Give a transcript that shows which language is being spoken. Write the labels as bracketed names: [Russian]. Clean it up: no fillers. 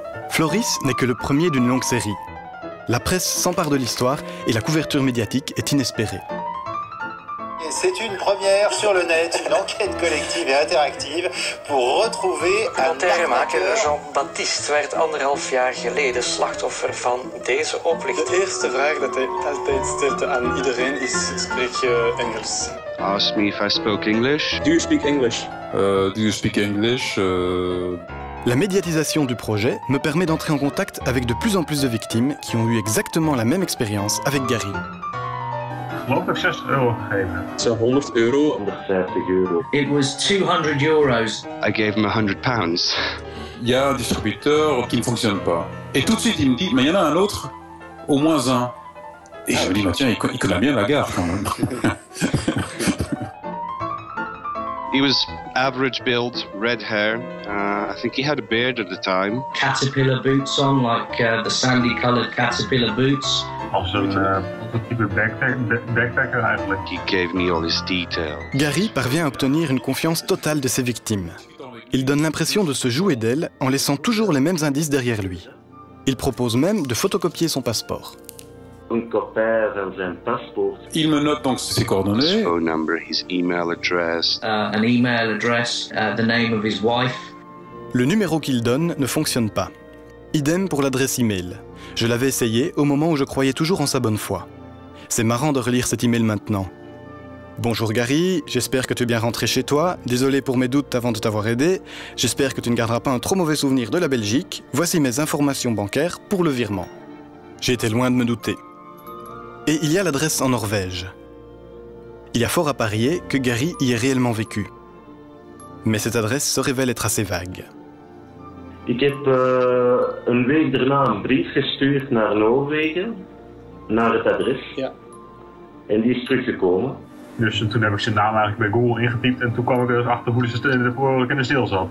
[French] Floris n'est que le premier d'une longue série. La presse s'empare de l'histoire et la couverture médiatique est inespérée. C'est une première sur le net, une enquête collective et interactive pour retrouver un arnaqueur. [Dutch] Jean-Baptiste werd anderhalf jaar geleden slachtoffer van deze oplichting. De eerste vraag dat hij altijd stelt aan iedereen is: spreek je Engels? [English] Ask me if I spoke English. Do you speak English? [French] La médiatisation du projet me permet d'entrer en contact avec de plus en plus de victimes qui ont eu exactement la même expérience avec Gary. [Dutch] Geloof ik 60 euro gegeven. Het is 100 euro. 150 euro. [English] It was 200 euros. I gave him 100 pounds. [French] Il y a un distributeur qui ne fonctionne pas. Et tout de suite, il me dit, mais il y en a un autre, au moins un. Et je me dis, tiens, il connaît bien la gare quand même. [English] He was average build, red hair. I think he had a beard at the time. Caterpillar boots on, like the sandy colored caterpillar boots. Also, backpacker, he gave me all his details. [French] Gary parvient à obtenir une confiance totale de ses victimes. Il donne l'impression de se jouer d'elles en laissant toujours les mêmes indices derrière lui. Il propose même de photocopier son passeport. Il me note donc ses coordonnées. [English] His phone number, his email address. An email address, the name of his wife. [French] Le numéro qu'il donne ne fonctionne pas. Idem pour l'adresse email. Je l'avais essayé au moment où je croyais toujours en sa bonne foi. C'est marrant de relire cet email maintenant. Bonjour Gary, j'espère que tu es bien rentré chez toi. Désolé pour mes doutes avant de t'avoir aidé. J'espère que tu ne garderas pas un trop mauvais souvenir de la Belgique. Voici mes informations bancaires pour le virement. J'ai été loin de me douter. Et il y a l'adresse en Norvège. Il y a fort à parier que Gary y ait réellement vécu. Mais cette adresse se révèle être assez vague. [Dutch] Ik heb een week daarna een brief gestuurd naar Noorwegen, naar het adres. Ja. En die is teruggekomen. Dus toen heb ik zijn naam eigenlijk bij Google ingetypt en toen kwam ik erachter hoe de voorwerp in de steel zat.